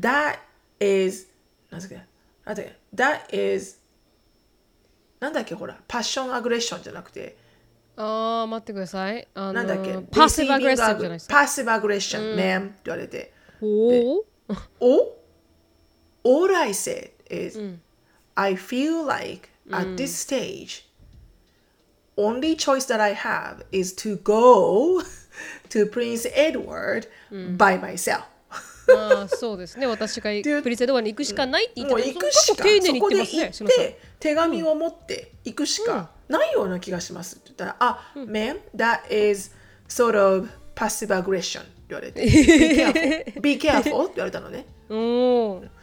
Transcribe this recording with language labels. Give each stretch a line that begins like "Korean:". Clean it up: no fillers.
English: That is
Japanese: 何だっけ That is 何だっけ、ほらパッションアグレッションじゃなくて、あ待ってください、何だっけ、パッシブアグレッションじゃないですか、パッシブアグレッション、うん、メンって言われて、おお
English: All I said is、
Japanese: うん、
English: I feel like at this stageOnly choice that I have is to go to Prince Edward by myself、
Japanese: うん、あそうですね、私がプリンスエドワードに行くしかないって言って、もう行くしか、丁寧に言ってますね、そこで行って手紙を持って行くしかないような気がしますって言ったら、あ、うん、
English: Ma'am, that is sort of passive aggression
Japanese: って言われて、
English: Be careful
Japanese: って言われたのね。